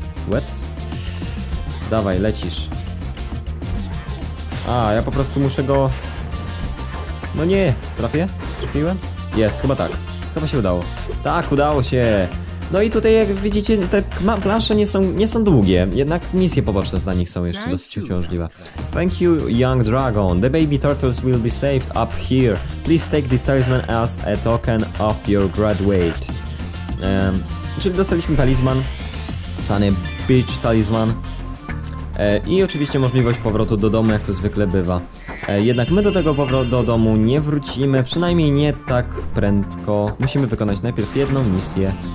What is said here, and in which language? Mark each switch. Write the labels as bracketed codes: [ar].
[en] What? [pl] Dawaj, lecisz. A, ja po prostu muszę go... No nie, trafię? Trafiłem? Jest, chyba tak. Chyba się udało. Tak, udało się! No i tutaj, jak widzicie, te plansze nie są długie, jednak misje poboczne dla nich są jeszcze dosyć uciążliwe. [en] Thank you, young dragon. The baby turtles will be saved up here. Please take this talisman as a token of your graduate. [pl] Czyli dostaliśmy talizman. Sunny Beach talizman. I oczywiście możliwość powrotu do domu, jak to zwykle bywa. Jednak my do tego powrotu do domu nie wrócimy, przynajmniej nie tak prędko. Musimy wykonać najpierw jedną misję.